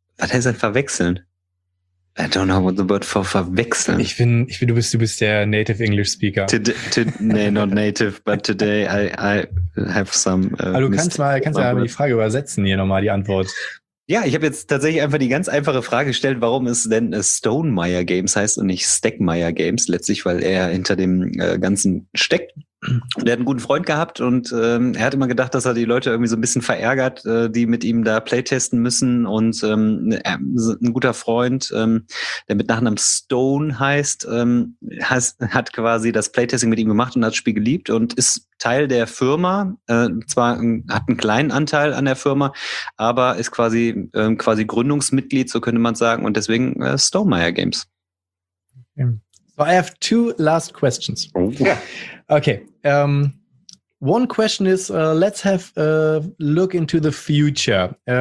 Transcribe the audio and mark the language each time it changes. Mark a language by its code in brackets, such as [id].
[de] Was heißt denn verwechseln? [en] I don't know what the word for verwechseln. [de] Ich bin, du bist der [en] Native English Speaker. not native, but today I have some. [de] Also kannst du mal die Frage übersetzen hier nochmal, die Antwort. Ja, ich habe jetzt tatsächlich einfach die ganz einfache Frage gestellt, warum es denn Stonemeyer Games heißt und nicht Stegmeyer Games, letztlich, weil er hinter dem Ganzen steckt. Und er hat einen guten Freund gehabt und er hat immer gedacht, dass er die Leute irgendwie so ein bisschen verärgert, die mit ihm da playtesten müssen. Und ein guter Freund, der mit Nachnamen Stone heißt, hat quasi das Playtesting mit ihm gemacht und hat das Spiel geliebt und ist Teil der Firma, hat einen kleinen Anteil an der Firma, aber ist quasi Gründungsmitglied, so könnte man sagen, und deswegen Stonemeyer Games. [en] So I have two last questions. Okay. One question is, let's have a look into the future.